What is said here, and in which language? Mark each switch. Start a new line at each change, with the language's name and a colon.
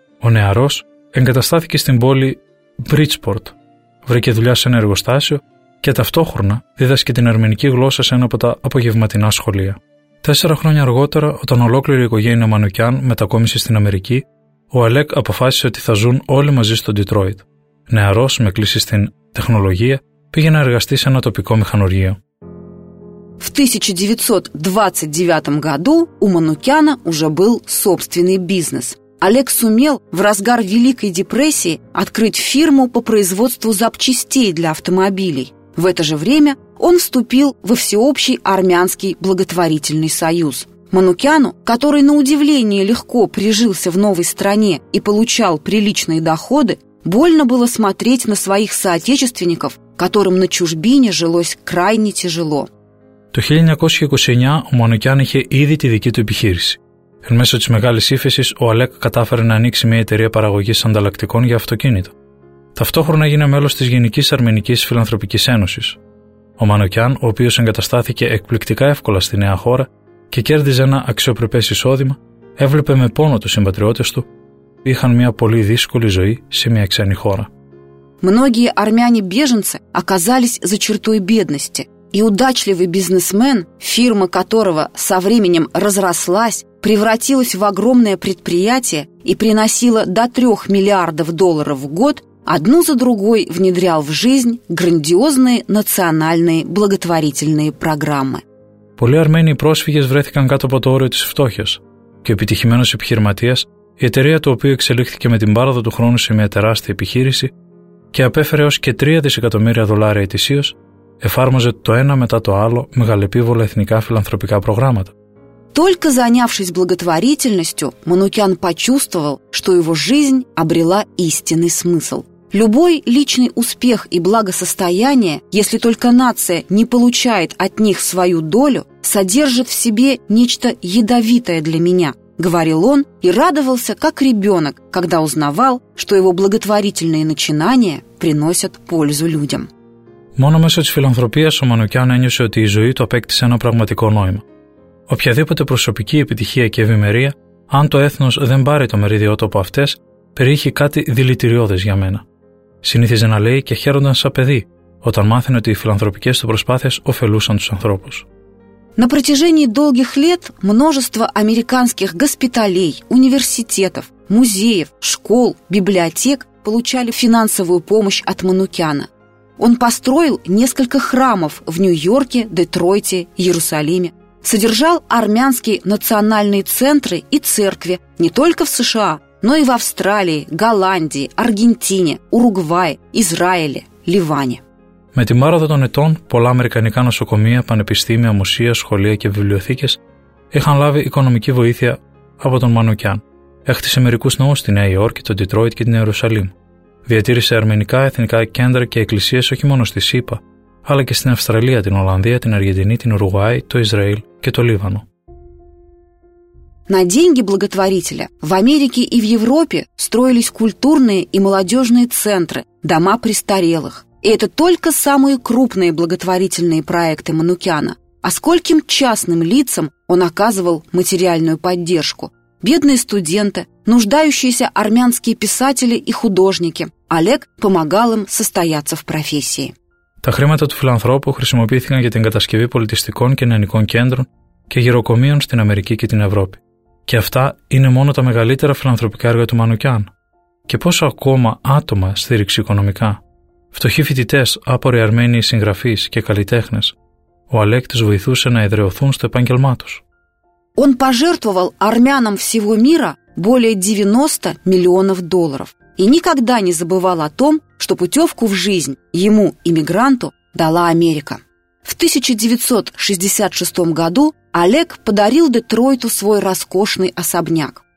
Greek: Ο νεαρός εγκαταστάθηκε στην πόλη Bridgeport, βρήκε δουλειά σε ένα εργοστάσιο και ταυτόχρονα δίδασκε την αρμενική γλώσσα σε ένα από τα απογευματινά σχολεία. 4 χρόνια αργότερα, όταν ολόκληρη η οικογένεια Μανουκιάν μετακόμισε στην Αμερική, ο Αλέκ αποφάσισε ότι θα ζουν όλοι μαζί στο Ντιτρόιτ. Νεαρός, με κλίση στην τεχνολογία, πήγε να εργαστεί σε ένα τοπικό μηχανουργείο.
Russian: В 1929 году у Манукяна уже был собственный бизнес. Олег сумел в разгар Великой депрессии открыть фирму по производству запчастей для автомобилей. В это же время он вступил во всеобщий армянский благотворительный союз. Манукяну, который на удивление легко прижился в новой стране и получал приличные доходы, больно было смотреть на своих соотечественников, которым на чужбине жилось крайне тяжело.
Greek: Το 1929 ο Μανουκιάν είχε ήδη τη δική του επιχείρηση. Εν μέσω της μεγάλης ύφεσης, ο Αλέκ κατάφερε να ανοίξει μια εταιρεία παραγωγής ανταλλακτικών για αυτοκίνητο. Ταυτόχρονα έγινε μέλος της Γενικής Αρμενικής Φιλανθρωπικής Ένωσης. Ο Μανουκιάν, ο οποίος εγκαταστάθηκε εκπληκτικά εύκολα στη νέα χώρα και κέρδιζε ένα αξιοπρεπές εισόδημα, έβλεπε με πόνο τους συμπατριώτες του που είχαν μια πολύ δύσκολη ζωή σε μια ξένη χώρα.
Russian: Многие армяне-беженцы оказались за чертой бедности. И удачливый бизнесмен, фирма которого со временем разрослась, превратилась в огромное предприятие и приносила до 3 миллиардов долларов в год, одну за другой внедрял в жизнь грандиозные национальные благотворительные программы.
Greek: Πολλοί Αρμένοι πρόσφυγες βρέθηκαν κάτω από το όριο της φτώχειας και ο επιτυχημένος επιχειρηματίας, η εταιρεία του οποίου εξελίχθηκε με την πάροδο του χρόνου σε μια τεράστια επιχείρηση και απέφερε ως και 3 δισεκατομμύρια δολάρια ετησίως, εφάρμοζε το ένα μετά το άλλο μεγαλεπίβολα εθνικά φιλανθρωπικά προγράμματα.
Russian: Только занявшись благотворительностью, Манукян почувствовал, что его жизнь обрела истинный смысл. Любой личный успех и благосостояние, если только нация не получает от них свою долю, содержит в себе нечто ядовитое для меня, говорил он и радовался, как ребенок, когда узнавал, что его благотворительные начинания приносят пользу людям.
Greek: Μόνο μέσω της φιλανθρωπίας ο Μανουκιάν ένιωσε ότι η ζωή του απέκτησε ένα πραγματικό νόημα. Οποιαδήποτε προσωπική επιτυχία και ευημερία, αν το έθνος δεν πάρει το μερίδιό του από αυτές, περιείχε κάτι δηλητηριώδες για μένα. Συνήθιζε να λέει και χαίρονταν σαν παιδί, όταν μάθαινε ότι οι φιλανθρωπικές του προσπάθειες ωφελούσαν τους ανθρώπους.
Russian: На протяжении долгих лет множество американских госпиталей, университетов, музеев, школ, библиотек получали финансовую помощь от Манукяна. Он построил несколько храмов в Нью-Йорке, Детройте, Иерусалиме. Содержал армянские национальные центры и церкви не только в США, но и в Австралии, Голландии, Аргентине, Уругвае, Израиле, Ливане.
Greek: Με την πάροδο των ετών, πολλά αμερικανικά νοσοκομεία, πανεπιστήμια, μουσεία, σχολεία και βιβλιοθήκες είχαν λάβει οικονομική βοήθεια από τον Μανουκιάν. Έχτισε μερικούς ναούς στη Νέα Υόρκη, το Ντιτρόιτ και την Ιερουσαλήμ. Διατήρησε αρμενικά εθνικά κέντρα και εκκλησίες όχι μόνο στη ΣΥΠΑ, αλλά και στην Αυστραλία, την Ολλανδία, την Αργεντινή, την Ουρουγουάη, το Ισραήλ και το Λίβανο.
Russian: На деньги благотворителя в Америке и в Европе строились культурные и молодежные центры, дома престарелых. И это только самые крупные благотворительные проекты Манукяна. А скольким частным лицам он оказывал материальную поддержку? Бедные студенты, нуждающиеся армянские писатели и художники. Олег помогал им состояться в профессии.
Greek: Τα χρήματα του φιλανθρώπου χρησιμοποιήθηκαν για την κατασκευή πολιτιστικών και νεανικών κέντρων και γεροκομείων στην Αμερική και την Ευρώπη. Και αυτά είναι μόνο τα μεγαλύτερα φιλανθρωπικά έργα του Μανουκιάν. Και πόσο ακόμα άτομα στήριξε οικονομικά. Φτωχοί φοιτητές, άποροι Αρμένοι συγγραφείς και καλλιτέχνες. Ο Αλέκ τους βοηθούσε να εδραιωθούν στο επάγγελμά τους.
Russian: Он пожертвовал армянам всего мира более 90 миллионов долларов и никогда не забывал о том, что путевку в жизнь ему, иммигранту, дала Америка. В 1966 году Олег подарил Детройту свой роскошный особняк.